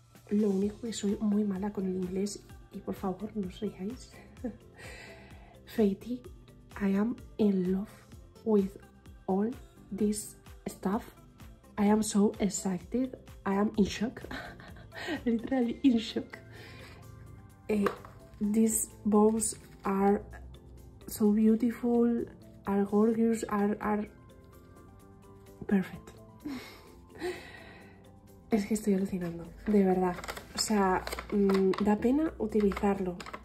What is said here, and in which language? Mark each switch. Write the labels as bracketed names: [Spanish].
[Spanish] Lo único que soy muy mala con el inglés, y por favor no os riáis. [English] Faiti, I am in love with all this stuff. I am so excited. I am in shock. Literally in shock. These bows are so beautiful, are gorgeous, are perfect. [Spanish] Es que estoy alucinando, de verdad. O sea, da pena utilizarlo.